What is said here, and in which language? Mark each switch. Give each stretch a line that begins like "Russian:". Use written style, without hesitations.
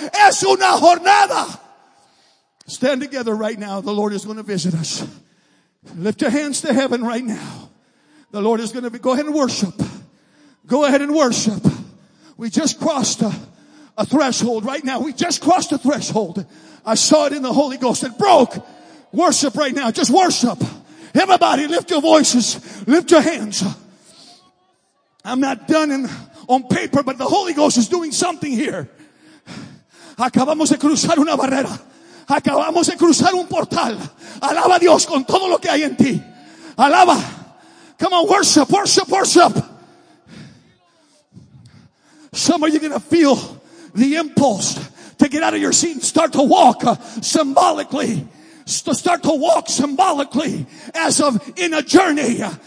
Spanish: Es una jornada.
English: Stand together right now. The Lord is going to visit us. Lift your hands to heaven right now. The Lord is going to be. Go ahead and worship. Go ahead and worship. We just crossed a threshold right now. We just crossed a threshold. I saw it in the Holy Ghost. It broke. Worship right now. Just worship. Everybody lift your voices. Lift your hands. I'm not done on paper, but the Holy Ghost is doing something here.
Spanish: Acabamos de cruzar una barrera. Acabamos de cruzar un portal. Alaba a Dios con todo lo que hay en ti. Alaba.
English: Come on, worship, worship, worship. Some of you are going to feel the impulse to get out of your seat and start to walk symbolically. Start to walk symbolically as of in a journey.